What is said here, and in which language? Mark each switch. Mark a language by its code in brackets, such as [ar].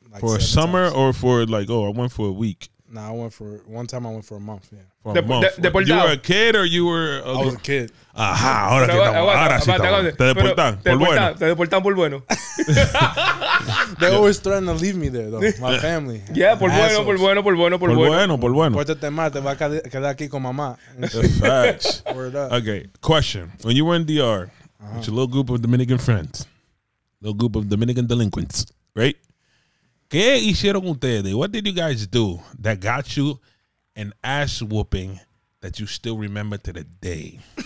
[en] Like for a summer times. Or for like, oh, I went for a week? Nah, I went for, one time I went for a month, yeah. For a month. Deportado. You were a kid or you were a I was a kid. [es] Ajá, ahora que estamos, ahora sí estamos. Te deportan, por bueno. Te deportan por bueno. [en] They always threaten to leave me there, though, my family. [es] Yeah, por bueno. Por bueno. Pórtate mal, te vas a quedar aquí con mamá. [en] Facts. Word up. Okay, question. When you were in DR, with your little group of Dominican friends, little group of Dominican delinquents, right? [es] ¿Qué hicieron ustedes? [en] What did you guys do that got you an ass whooping that you still remember to the day?